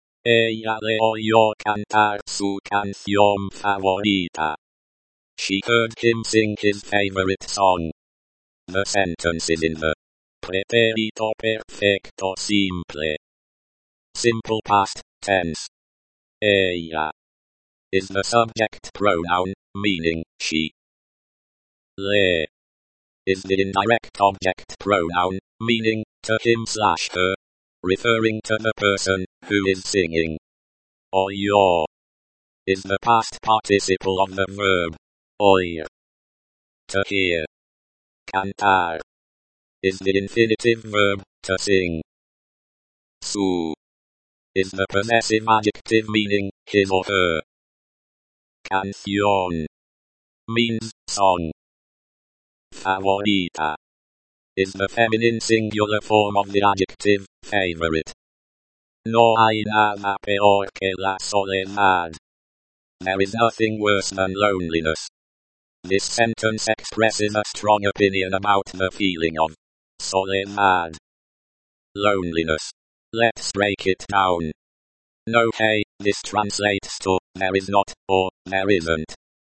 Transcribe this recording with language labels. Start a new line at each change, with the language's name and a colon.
Spanish: Ella le oyó cantar su canción favorita.
English: She heard him sing his favorite song. The sentence is in the pretérito perfecto simple. Simple past tense. Ella is the subject pronoun, meaning she. Le is the indirect object pronoun, meaning to him slash her, referring to the person who is singing. Oyó is the past participle of the verb oír. To hear. Cantar is the infinitive verb to sing. Su is the possessive adjective meaning his or her. Canción means song. Favorita is the feminine singular form of the adjective favorite.
Spanish: No hay nada peor que la soledad.
English: There is nothing worse than loneliness. This sentence expresses a strong opinion about the feeling of soledad. Loneliness. Let's break it down.
Spanish: No hey,
English: this translates to, there is not, or, there isn't.